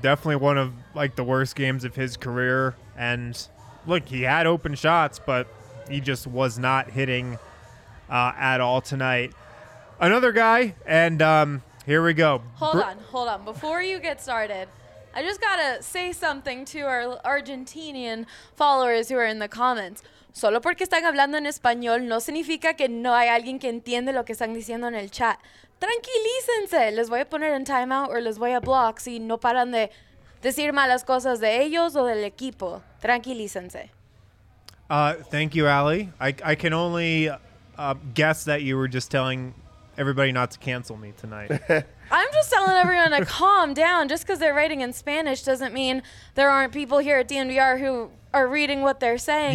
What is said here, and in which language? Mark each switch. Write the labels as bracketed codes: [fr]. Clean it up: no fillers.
[en] Definitely one of, like, the worst games of his career. And, look, he had open shots, but he just was not hitting at all tonight. Another guy, and here we go. Hold on. Before you get started, I just got to say something to our Argentinian followers who are in the comments. [es] Solo porque están hablando en español no significa que no hay alguien que entiende lo que están diciendo en el chat. Tranquilícense. Les voy a poner en timeout [en] or [es] les voy a block si no paran de decir malas cosas de ellos o del equipo. Tranquilícense. [en] Thank you, Ali. I can only guess that you were just telling everybody not to cancel me tonight. I'm just telling everyone to calm down. Just because they're writing in Spanish doesn't mean there aren't people here at DNVR who are reading what they're saying.